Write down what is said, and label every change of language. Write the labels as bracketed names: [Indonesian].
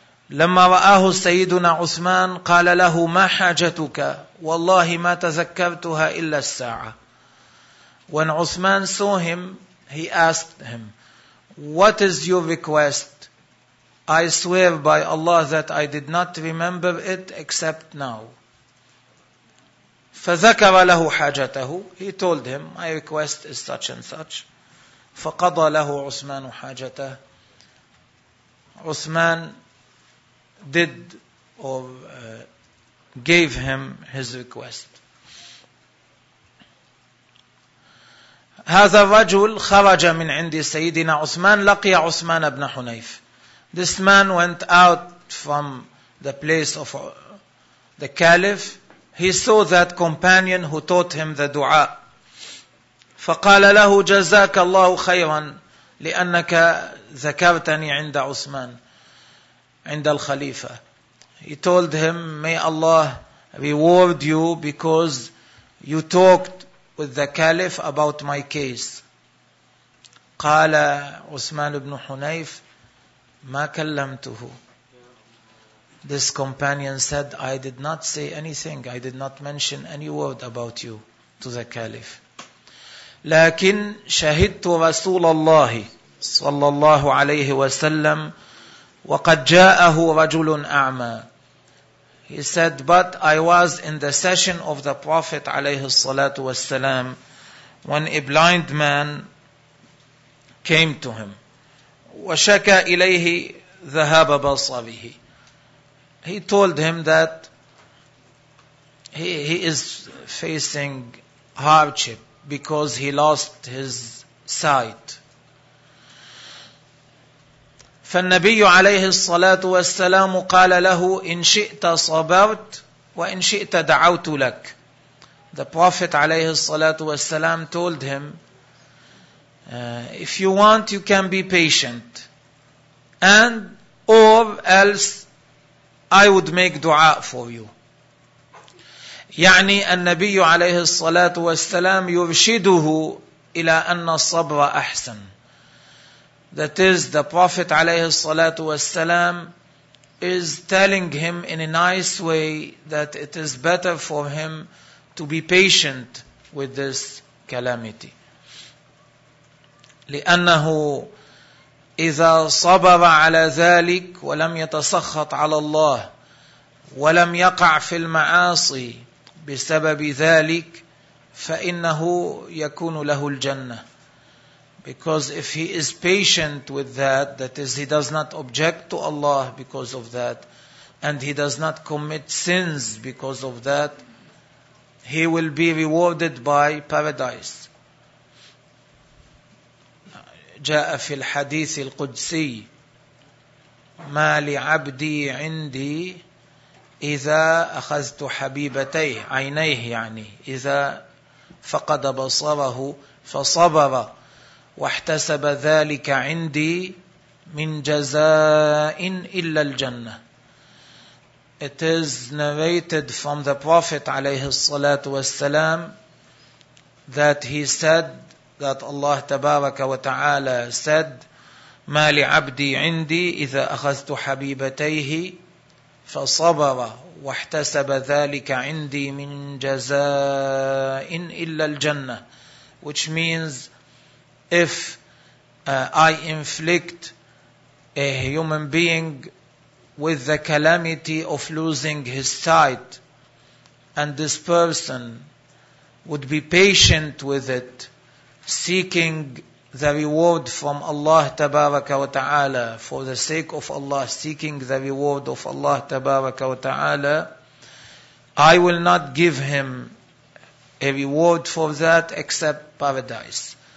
[Arabic] لما رآه سيدنا عثمان قال له ما حاجتك؟ والله ما تذكرتها إلا الساعة. [English] When Uthman saw him, he asked him, what is your request? I swear by Allah that I did not remember it except now. [Arabic] فَذَكَرَ لَهُ حَاجَتَهُ. [English] He told him, my request is such and such. [Arabic] فَقَضَى لَهُ عُثْمَانُ حَاجَتَهُ. [English] Uthman did or gave him his request. [Arabic] هذا الرجل خرج من عند سيدنا عثمان لقي عثمان بن حنيف. [English] This man went out from the place of the caliph. He saw that companion who taught him the dua. [Arabic] فقال له جزاك الله خيرا لأنك ذكرتني عند عثمان عند الخليفة. [English] He told him, may Allah reward you because you talked with the caliph about my case. [Arabic] قال عثمان بن حنيف ما كلمته. [English] This companion said, I did not say anything, I did not mention any word about you to the caliph. [Arabic] لكن شهدت رسول الله صلى الله عليه وسلم وقد جاءه رجل أعمى. [English] He said, but I was in the session of the Prophet [Arabic] عَلَيْهِ الصَّلَاةُ وَالسَّلَامُ [English] when a blind man came to him. [Arabic] وَشَكَى إِلَيْهِ ذَهَابَ بَصَرِهِ. [English] He told him that he is facing hardship because he lost his sight. [Arabic] فالنبي عليه الصلاة والسلام قال له إن شئت صبرت وإن شئت دعوت لك. [English] The Prophet [Arabic] عليه الصلاة والسلام [English] told him, if you want you can be patient, and or else I would make dua for you. [Arabic] يعني النبي عليه الصلاة والسلام يرشده إلى أن الصبر أحسن. [English] That is, the Prophet [Arabic] عليه الصلاة والسلام [English] is telling him in a nice way that it is better for him to be patient with this calamity. [Arabic] لأنه إذا صبر على ذلك ولم يتسخط على الله ولم يقع في المعاصي بسبب ذلك فإنه يكون له الجنة. [English] Because if he is patient with that is, he does not object to Allah because of that, and he does not commit sins because of that, he will be rewarded by paradise. [Arabic] جاء في الحديث القدسي ما لعبدي عندي إذا أخذت حبيبتيه عينيه يعني إذا فقد بصره فصبر واحتسب ذلك عندي من جزاء إلا الجنة. [English] It is narrated from the Prophet [Arabic] عليه الصلاة والسلام [English] that he said, that Allah [Arabic] تبارك وتعالى [English] said, [Arabic] ما لعبدي عندي إذا أخذت حبيبتيه فصبر واحتسب ذلك عندي من جزاء إلا الجنة. [English] Which means, if I inflict a human being with the calamity of losing his sight, and this person would be patient with it, seeking the reward from Allah [Arabic] Tabaraka wa Ta'ala, [English] for the sake of Allah, seeking the reward of Allah Tabaraka wa Ta'ala, I will not give him a reward for that except paradise.